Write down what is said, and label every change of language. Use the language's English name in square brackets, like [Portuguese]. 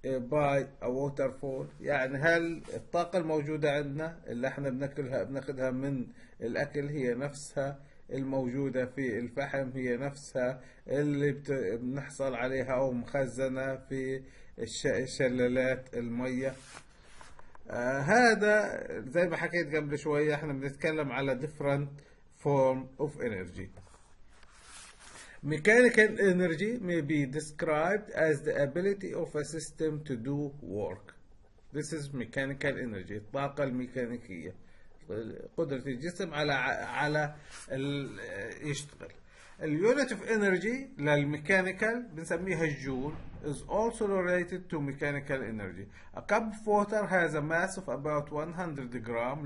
[English] by a waterfall؟ [Arabic] يعني هل الطاقة الموجودة عندنا اللي احنا بناكلها بناخدها من الأكل هي نفسها الموجودة في الفحم، هي نفسها اللي بنحصل عليها أو مخزنة في شلالات المية؟ هذا زي ما حكيت قبل شوية، احنا بنتكلم على [English] different form of energy. Mechanical energy may be described as the ability of a system to do work. This is mechanical energy، [Arabic] الطاقة الميكانيكية، قدرة الجسم على يشتغل. [English] The unit of energy [Arabic] للميكانيكال بنسميها الجول، [English] is also related to mechanical energy. A cup of water has a mass of about 100 gram.